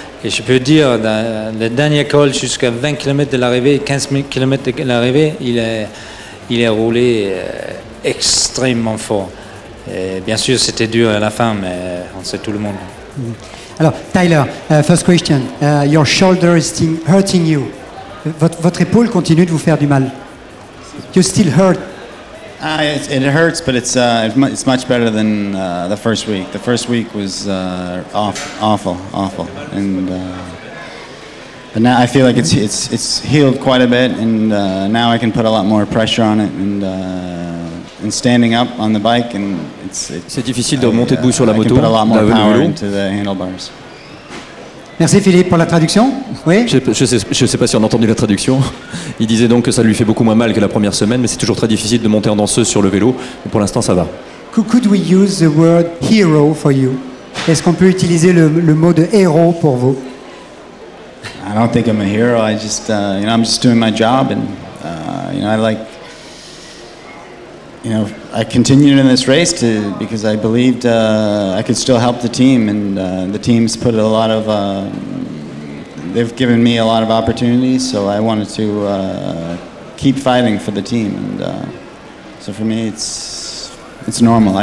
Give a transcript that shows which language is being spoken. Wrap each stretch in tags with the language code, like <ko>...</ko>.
<fr>Et je peux dire, dans la dernière école jusqu'à 20 km de l'arrivée, 15 km de l'arrivée, il est roulé extrêmement fort. Et bien sûr, c'était dur à la fin, mais on sait tout le monde.</fr> <en>Alors, Tyler, first question. Your shoulder is hurting you.</en> <fr>Votre épaule continue de vous faire du mal.</fr> <en>You still hurt. It hurts, but it's much better than the first week. The first week was awful, and but now I feel like it's healed quite a bit, and now I can put a lot more pressure on it, and standing up on the bike, and</en> <fr>c'est difficile de remonter debout sur la moto.</fr> <en>I can put a lot more power into the handlebars.</en> <fr>Merci Philippe pour la traduction. Oui. Je sais pas si on a entendu la traduction. Il disait donc que ça lui fait beaucoup moins mal que la première semaine, mais c'est toujours très difficile de monter en danseuse sur le vélo. Mais pour l'instant, ça va.</fr> <en>Could we use the word hero for you?</en> <fr>Est-ce qu'on peut utiliser le mot de héros pour vous?</fr> <en>I don't think I'm a hero. I just, you know, I'm just doing my job, and you know, I like, you know, I continued in this race to, because I believed I could still help the team, and the team's put a lot of, they've given me a lot of opportunities, so I wanted to keep fighting for the team, and so for me it's normal.</en>